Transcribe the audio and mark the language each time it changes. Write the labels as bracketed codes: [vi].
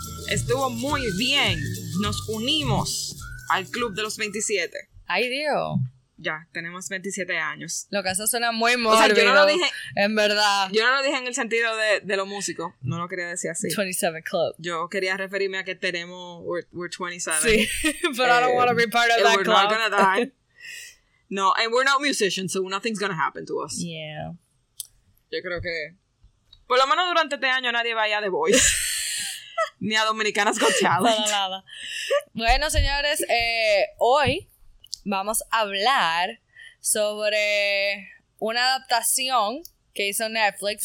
[es] Estuvo muy bien. Nos unimos al club de los 27. Ay, Dios. Ya, tenemos 27 años. Lo que eso suena muy mórbido. O sea, yo no lo dije. En verdad. Yo no lo dije en el sentido de lo músico. No lo quería decir así. [en] 27 club. [es] Yo quería referirme a que tenemos. [en] We're 27. Sí, but I don't want to be part of that we're club. We're not gonna die. No, and we're not musicians, so nothing's gonna happen to us. Yeah. [es] Yo creo que. Por lo menos durante este año nadie vaya de voice. Ni a Dominicanas Got Talent. Nada. Bueno, señores, hoy vamos a hablar sobre una adaptación que hizo Netflix.